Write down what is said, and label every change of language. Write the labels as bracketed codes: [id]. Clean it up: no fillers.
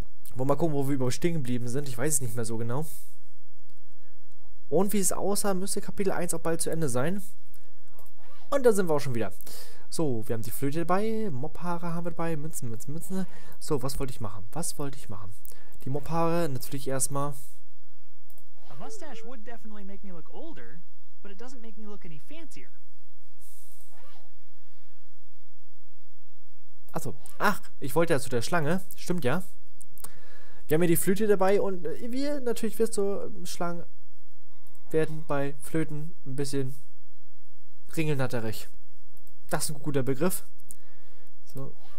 [de] Wollen wir mal gucken, wo wir überhaupt stehen geblieben sind. Ich weiß es nicht mehr so genau. Und wie es aussah, müsste Kapitel 1 auch bald zu Ende sein. Und da sind wir auch schon wieder. So, wir haben die Flöte dabei, Mobhaare haben wir dabei, Münzen. So, was wollte ich machen? Die Mobhaare natürlich erstmal. [en] A mustache would definitely make me look older, but it doesn't make me look any fancier. [de] Achso, ach, ich wollte ja zu der Schlange, stimmt ja. Wir haben ja die Flöte dabei und wir natürlich wirst du Schlangen werden bei Flöten ein bisschen ringelnatterig. Das ist ein guter Begriff. So.